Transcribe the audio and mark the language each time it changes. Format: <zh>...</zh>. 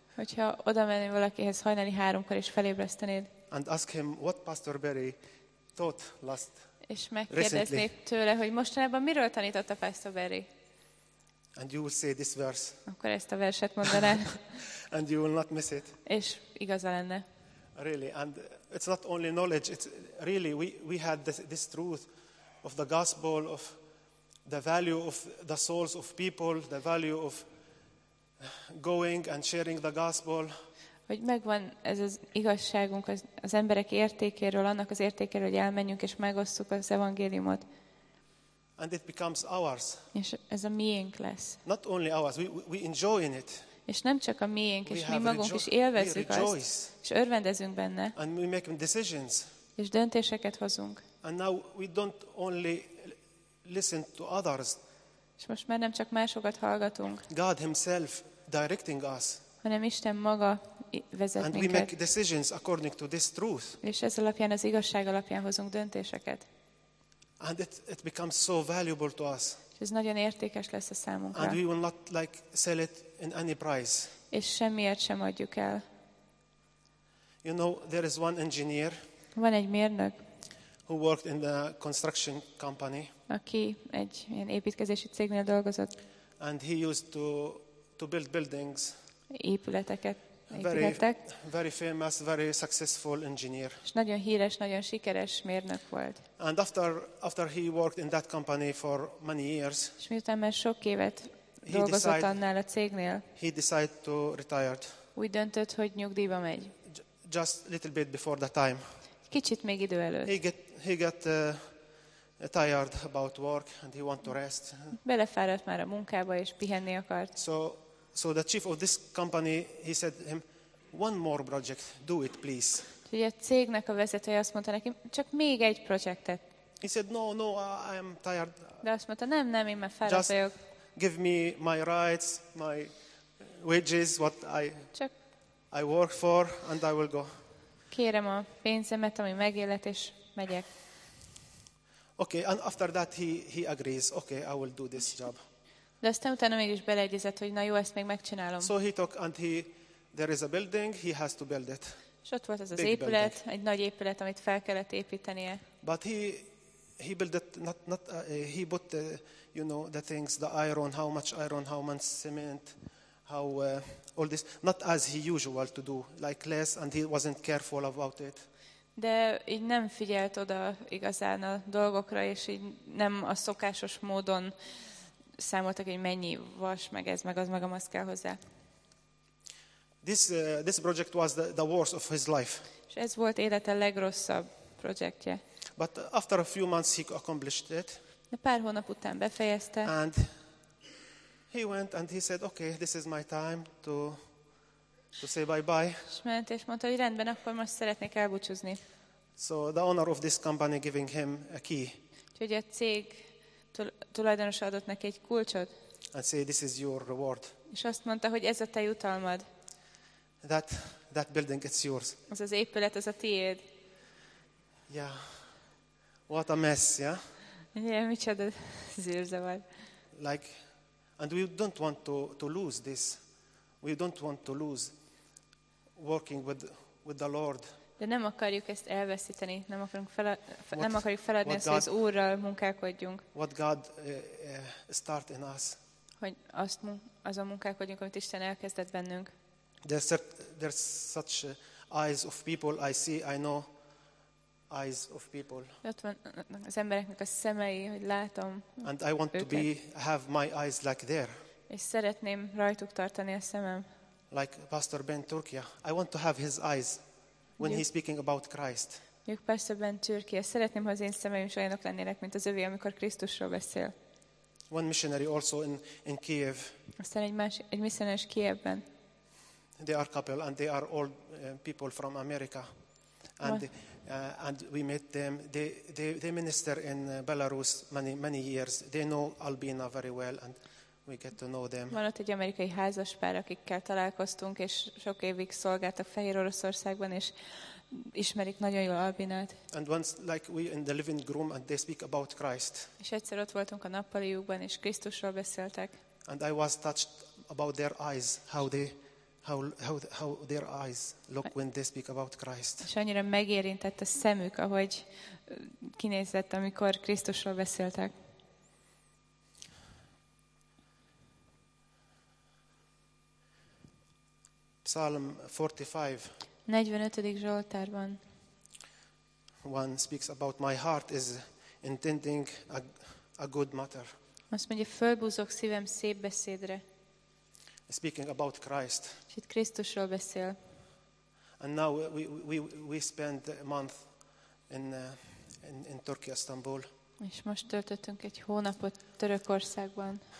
<hu>Hogyha oda menni valakihez hajnali 3-kor és felébresztenéd.</hu> <en>And ask him what Pastor Barry taught last.</en> <hu>És megkérdezni tőle, hogy mostanában miről tanított a Pastor Barry.</hu> <en>And you will say this verse.</en> <hu>Akkor ezt a verset mondaná.</hu> <en>And you will not miss it.</en> <hu>És igaza lenne.</hu> <en>Really, and it's not only knowledge, it's really we had this truth of the gospel, of the value of the souls of people, the value of going and sharing the gospel.</en> <hu>Hogy megvan ez az igazságunk az emberek értékéről, annak az értékéről, hogy elmenjünk és megosztjuk az evangéliumot.</hu> <en>And it becomes ours.</en> <hu>És ez a miénk lesz.</hu> <en>Not only ours, we enjoy in it.</en> <hu>És nem csak a miénk, és mi magunk is élvezzük azt, és örvendezünk benne.</hu> <en>And we make decisions.</en> <hu>És döntéseket hozunk.</hu> <en>And now we don't only listen to others.</en> <hu>És most már nem csak másokat hallgatunk.</hu> <en>God himself directing us.</en> <hu>Hanem Isten maga vezet</hu> <en>and</en> <hu>minket.</hu> <en>We make decisions according to this truth.</en> <hu>És ez alapján, az igazság alapján hozunk döntéseket.</hu> <en>And it becomes so valuable to us.</en> <hu>És ez nagyon értékes lesz a számunkra.</hu> <en>And we will not like sell it in any price.</en> <hu>És semmiért sem adjuk el.</hu> <en>You know, there is one engineer.</en> <hu>Van egy mérnök.</hu> <en>Who worked in the construction company.</en> <hu>Aki egy ilyen építkezési cégnél dolgozott.</hu> <en>And he used to build buildings.</en> <hu>Épületeket építettek.</hu> <en>Very famous, very successful engineer.</en> <hu>És nagyon híres, nagyon sikeres mérnök volt.</hu> <en>And after he worked in that company for many years.</en> <hu>És miután már sok évet dolgozott annál a cégnél.</hu> <en>He decided to retire.</en> <hu>Úgy döntött, hogy nyugdíjba megy.</hu> <en>Just little bit before the time.</en> <hu>Kicsit még idő előtt.</hu> <en>He got tired about work and he want to rest.</en> <hu>Belefáradt már a munkába és pihenni akart.</hu> <en>So the chief of this company, he said to him, one more project, do it please.</en> <hu>Ugye a cégnek a vezetője azt mondta neki, csak még egy projektet.</hu> <en>He said, no, I am tired.</en> <hu>De azt mondta, nem, én már fáradt vagyok.</hu> <en>Just give me my rights, my wages, what I...</en> <hu>Csak</hu> <en>I work for and I will go.</en> <hu>Kérem a pénzemet, ami megélet, és megyek.</hu> <en>Okay, and after that he agrees. Okay, I will do this job.</en> <hu>De aztán utána mégis beleegyezett, hogy na jó, ezt még megcsinálom.</hu> <en>So he took and there is a building, he has to build it.</en> <hu>És ott volt ez az épület, building. Egy nagy épület, amit fel kellett építenie.</hu> <en>But he built it he put the, you know, the things, the iron, how much iron, how much cement, how all this, not as he usual to do, like less, and he wasn't careful about it.</en> <hu>De így nem figyelt oda igazán a dolgokra, és így nem a szokásos módon számoltak, hogy mennyi vas, meg ez, meg az, meg amaz kell hozzá.</hu> <en>This project was the worst of his life.</en> <hu>És ez volt élete legrosszabb projektje.</hu> <en>But after a few months he accomplished it.</en> <hu>De pár hónap után befejezte.</hu> <en>And he went and he said, okay, this is my time to say bye-bye.</en> <hu>És ment, és mondta, hogy rendben, akkor most szeretnék elbúcsúzni.</hu> <en>So the owner of this company giving him a key.</en> <hu>Úgyhogy a cég tulajdonosa adott neki egy kulcsot.</hu> <en>And say, this is your reward.</en> <hu>És azt mondta, hogy ez a te jutalmad.</hu> <en>That building, it's yours.</en> <hu>Az az épület, az a tiéd.</hu> <en>Yeah. What a mess, yeah?</en> <hu>Yeah, micsoda zűrzavar.</hu> <en>Like, and we don't want to lose this. We don't want to lose working with the Lord.</en> <hu>De nem akarjuk ezt elveszíteni. Nem akarunk nem akarjuk feladni ezt, hogy az Úrral munkálkodjunk.</hu> <en>What God start in us.</en> <hu>Hogy azon munkálkodjunk, amit Isten elkezdett bennünk.</hu> <en>There's such eyes of people I see, I know. Eyes of people.</en> <hu>Ott van az embereknek a szemei, hogy látom.</hu> <en>And I want</en> <hu>őket.</hu> <en>To be have my eyes like there.</en> <hu>És szeretném rajtuk tartani a szemem.</hu> <en>Like Pastor Ben Turkia, I want to have his eyes when he's speaking about Christ.</en> <hu>Jók Pastor Ben Turkia, szeretném, ha az én szemeim is olyanok lennének, mint az övé, amikor Krisztusról beszél.</hu> <en>One missionary also in Kiev.</en> <hu>Aztán egy misszionárius Kievben.</hu> <en>They are couple and they are all people from America. And we met them. They minister in Belarus many years. They know Albina very well, and we get to know them.</en> <hu>Van ott egy amerikai házaspár, akikkel találkoztunk, és sok évig szolgáltak Fehér Oroszországban, és ismerik nagyon jól Albinát.</hu> <en>And once, like we in the living room, and they speak about Christ.</en> <hu>És egyszer ott voltunk a nappaliukban, és Krisztusról beszéltek.</hu> <en>And I was touched about their eyes, how their eyes look when they speak about Christ.</en> <hu>És annyira megérintett a szemük, ahogy kinézett, amikor Krisztusról beszéltek.</hu> <en>Psalm 45.</en> <hu>45. Zsoltárban.</hu> <en>One speaks about my heart is intending a good matter.</en> <hu>Azt mondja, fölbúzok szívem szép beszédre.</hu> <en>Speaking about Christ.</en> <hu>És itt Krisztusról beszél.</hu> <en>And now we spend a month in Turkey, Istanbul.</en> <hu>És most töltöttünk egy hónapot Törökországban,</hu>